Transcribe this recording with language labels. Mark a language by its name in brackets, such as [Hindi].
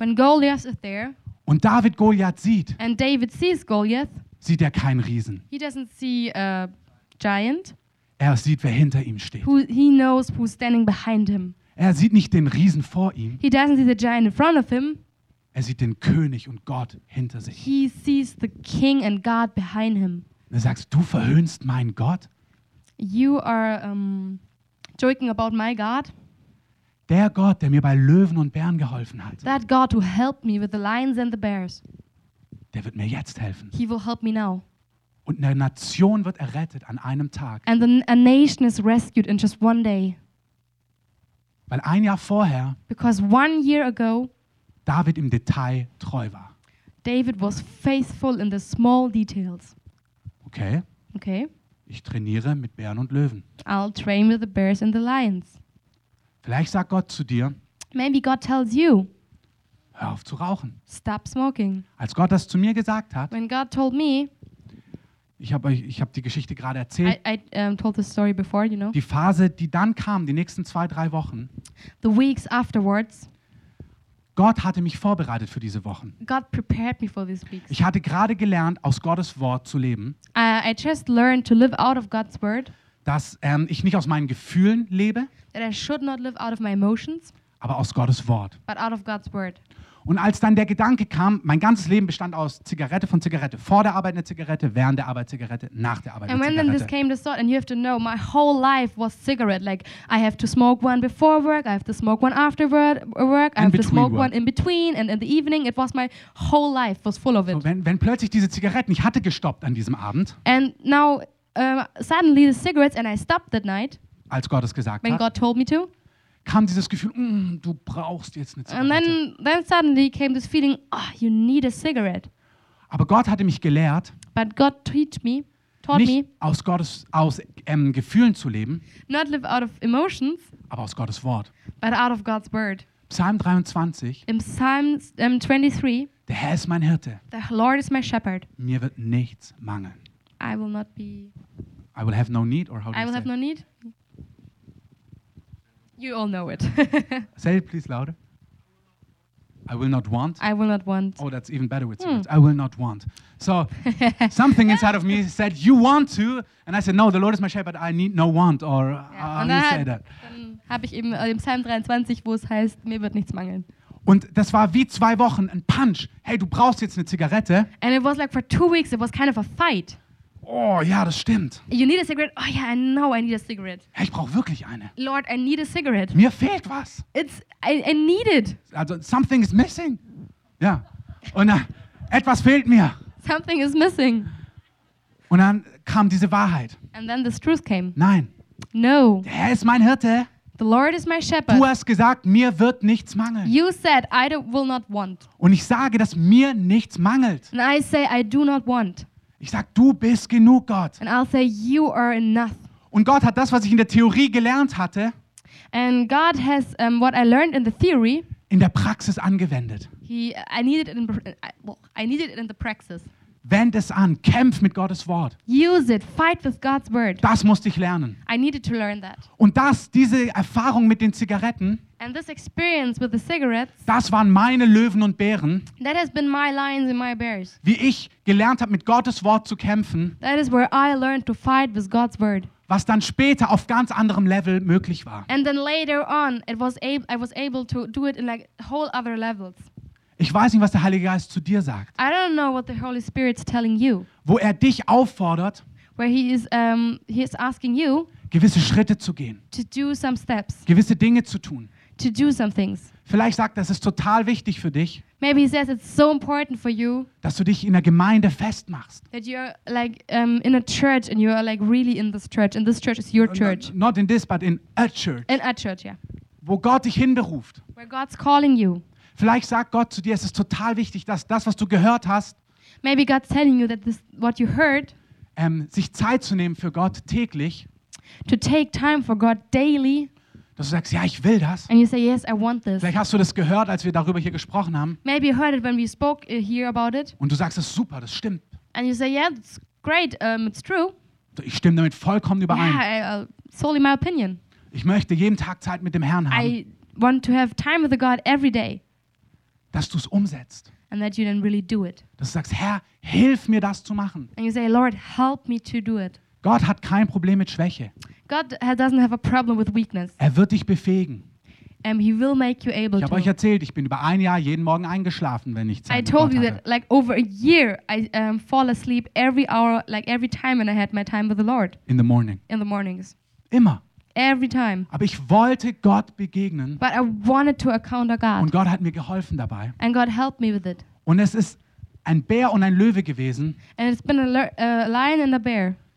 [English] When Goliath is there. [German] Und David Goliath sieht. [English] And David sees Goliath. [German] Sieht er keinen Riesen. [English] He doesn't see a giant. [German] Er sieht, wer hinter ihm steht. [English] He knows who's standing behind him. [German] Er sieht nicht den Riesen vor ihm. [English] He doesn't see the giant in front of him. [German] Er sieht den König und Gott hinter sich. [English] He sees the king and God behind him. [German] Und er sagt, du verhöhnst meinen Gott? [English] You are joking about my God? [German] Der Gott, der mir bei Löwen und Bären geholfen hat. [English] That God who helped me with the lions and the bears. [German] Der wird mir jetzt helfen. [English] He will help me now. [German] Und eine Nation wird errettet an einem Tag. [English] And a nation is rescued in just one day. [German] Weil ein Jahr vorher [English] because one year ago, [German] David im Detail treu war. [English] David was faithful in the small details. [German] Okay. [English] Okay. [German] Ich trainiere mit Bären und Löwen. [English] I'll train with the bears and the lions. [German] Vielleicht sagt Gott zu dir. [English] Maybe God tells you. [German] Hör auf zu rauchen. [English] Stop smoking. [German] Als Gott das zu mir gesagt hat. [English] When God told me. [German] Ich hab die Geschichte gerade erzählt. [English] I told the story before, you know. [German] Die Phase, die dann kam, die nächsten 2-3 Wochen. [English] The weeks afterwards. [German] Gott hatte mich vorbereitet für diese Wochen. [English] God prepared me for these weeks. [German] Ich hatte gerade gelernt, aus Gottes Wort zu leben. [English] I just learned to live out of God's word. [German] Dass ich nicht aus meinen Gefühlen lebe. [English] That I should not live out of my emotions. [German] Aber aus Gottes Wort. [English] But out of God's word. [German] Und als dann der Gedanke kam, mein ganzes Leben bestand aus Zigarette von Zigarette, vor der Arbeit eine Zigarette, während der Arbeit Zigarette, nach der Arbeit [English] and [German] eine Zigarette. [English] And when then this came to start, and you have to know, my whole life was cigarette. Like I have to smoke one before work, I have to smoke one after work, I have to smoke one in between, and in the evening, it was my whole life was full of it. [German] So wenn plötzlich diese Zigaretten, ich hatte gestoppt an diesem Abend. [English] And now suddenly the cigarettes, and I stopped that night. [German] Als Gott es gesagt [English] when [German] hat. [English] When God told me to. [German] Kam dieses Gefühl, du brauchst jetzt eine Zigarette. [English] And then suddenly came this feeling, oh, you need a cigarette. [German] Aber Gott hatte mich gelehrt, [English] but God taught [German] nicht [English] me, [German] aus Gottes aus Gefühlen zu leben, [English] not live out of emotions, [German] aber aus Gottes Wort. [English] But out of God's word. [German] Psalm 23. [English] In Psalm 23. [German] Der Herr ist mein Hirte. [English] The Lord is my shepherd. [German] Mir wird nichts mangeln. [English] I will not be. I will have no need, or how do I you will say? Have no need. You all know it. Say it please louder. I will not want. I will not want. Oh, that's even better with cigarettes. I will not want. So something inside of me said, you want to? And I said, no, the Lord is my shepherd, I need no want. Or how you say that? [German] Habe ich eben im Psalm 23, wo es heißt, mir wird nichts mangeln. Und das war wie zwei Wochen, ein Punch. Hey, du brauchst jetzt eine Zigarette. [English] And it was like for 2 weeks, it was kind of a fight. [German] Oh ja, das stimmt. [English] You need a cigarette? Oh yeah, I know I need a cigarette. [German] Hey, ich brauche wirklich eine. [English] Lord, I need a cigarette. [German] Mir fehlt was. [English] It's I need it. Also something is missing. [German] Ja. Und dann etwas fehlt mir. [English] Something is missing. [German] Und dann kam diese Wahrheit. [English] And then this truth came. [German] Nein. [English] No. [German] Der Herr ist mein Hirte. [English] The Lord is my shepherd. [German] Du hast gesagt, mir wird nichts mangeln. [English] You said I will not want. [German] Und ich sage, dass mir nichts mangelt. [English] And I say I do not want. [German] Ich sag, du bist genug, Gott. [English] And I'll say, you are enough. [German] Und Gott hat das, was ich in der Theorie gelernt hatte, [English] and God has, what I learned in the theory, [German] in der Praxis angewendet. [English] I needed it in the praxis. [German] Wend es an, kämpf mit Gottes Wort. [English] Use it, fight with God's word. [German] Das musste ich lernen. [English] I needed to learn that. [German] Und das, diese Erfahrung mit den Zigaretten, [English] and this experience with the cigarettes, [German] das waren meine Löwen und Bären. [English] That has been my lions and my bears. [German] Wie ich gelernt habe, mit Gottes Wort zu kämpfen. [English] That is where I learned to fight with God's word. [German] Was dann später auf ganz anderem Level möglich war. [English] And then later on, I was able to do it in like whole other levels. [German] Ich weiß nicht, was der Heilige Geist zu dir sagt. [English] I don't know what the Holy Spirit's telling you. [German] Wo er dich auffordert, [English] where he is asking you, [German] gewisse Schritte zu gehen, [English] to do some steps, [German] gewisse Dinge zu tun. [English] To do some things. [German] Vielleicht sagt er, es ist total wichtig für dich. [English] Maybe he says it's so important for you. [German] Dass du dich in der Gemeinde festmachst. [English] That you're like in a church and you are like really in this church and this church is your church. Not in this, but in a church. In a church, yeah. [German] Wo Gott dich hinberuft. [English] Where God's calling you. [German] Vielleicht sagt Gott zu dir, es ist total wichtig, dass das, was du gehört hast. [English] Maybe God's telling you that this what you heard. [German] Sich Zeit zu nehmen für Gott täglich. [English] To take time for God daily. [German] Dass du sagst, ja, ich will das. [English] And you say, yes, I want this. [German] Vielleicht hast du das gehört, als wir darüber hier gesprochen haben. [English] Maybe you heard it when we spoke here about it. [German] Und du sagst, das ist super, das stimmt. [English] And you say, yeah, it's great, it's true. [German] Ich stimme damit vollkommen überein. [English] Yeah, it's only my opinion. [German] Ich möchte jeden Tag Zeit mit dem Herrn haben. [English] I want to have time with the God every day. [German] Dass du es umsetzt. [English] And that you then really do it. [German] Dass du sagst, Herr, hilf mir, das zu machen. [English] And you say, Lord, help me to do it. [German] Gott hat kein Problem mit Schwäche. [English] God doesn't have a problem with weakness. [German] Er wird dich befähigen. [English] He will make you able. [German] Ich habe euch erzählt, ich bin über ein Jahr jeden Morgen eingeschlafen, wenn ich Zeit [English] hatte. I told you that like over a year I fall asleep every hour, like every time when I had my time with the Lord. In the morning. In the mornings. [German] Immer. [English] Every time. [German] Aber ich wollte Gott begegnen. [English] But I wanted to encounter God. [German] Und Gott hat mir geholfen dabei. [English] And God helped me with it. [German] Und es ist ein Bär und ein Löwe gewesen. [English] And it's been a lion and a bear.